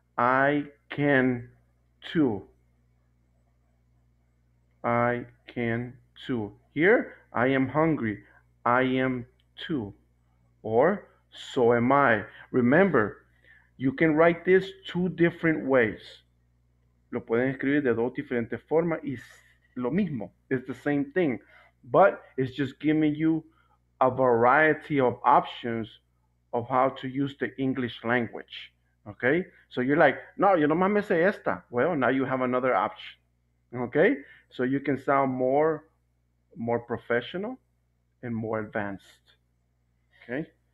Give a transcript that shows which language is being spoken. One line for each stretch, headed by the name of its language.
English: I can too. I can too. Here, I am hungry. I am too. Or, so am I. Remember, you can write this two different ways.
Spanish: Lo pueden escribir de dos diferentes formas y lo mismo.
English: It's the same thing. But it's just giving you a variety of options of how to use the English language. Okay? So you're like, no,
Spanish: yo nomás me sé esta.
English: Well, now you have another option. Okay? So you can sound more professional and more advanced. Okay?